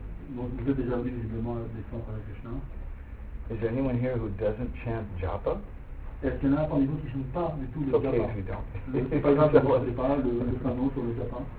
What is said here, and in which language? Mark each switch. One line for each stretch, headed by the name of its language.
French: Bon, vous êtes déjà venu visiblement à des temples Hare Krishna.
English: Is there anyone here who doesn't chant japa?
French: Est-ce qu'il y en a parmi vous qui ne chantent pas du tout le japa?
English: Okay,
French: c'est pas grave, je ne vois pas le canon sur le japa.